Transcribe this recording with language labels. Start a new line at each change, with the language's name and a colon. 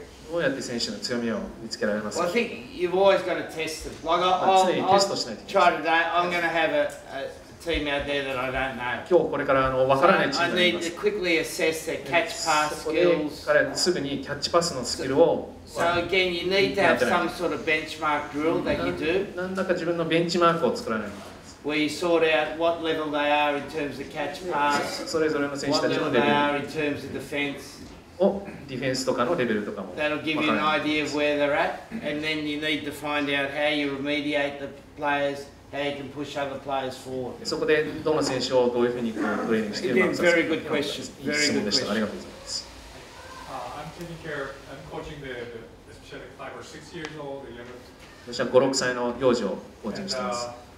Japanese: どうやって選手の強みを見つけられますか
English: Well, I think you've always got to test them. Like, I'll try today. I'm going to have a team out there that I don't know.
Japanese: 今日これからあの分からないチームがあります。
English: I need to quickly assess their catch pass skills.
Japanese: そこで彼すぐにキャッチパスのスキルを
English: So again, you need to have some sort of benchmark drill that you do.
Japanese: なんだか自分のベンチマークを作らない
English: Where you sort out what level they are in terms of catch pass, what level they are in terms of defense.
Japanese: Oh, defense とかのレベルとかも。
English: That'll give you an idea of where they're at, and then you need to find out how you remediate the players, how you can push other players forward.
Japanese: そこでどの選手をどういうふうにトレーニングしているのか。
English: Again, very good question. Very good question.
Japanese: ありがとうございます。
English: I'm taking care. I'm coaching the especially 5 or 6 years old, the younger.
Japanese: 私は五六歳の幼児をコーチングしています。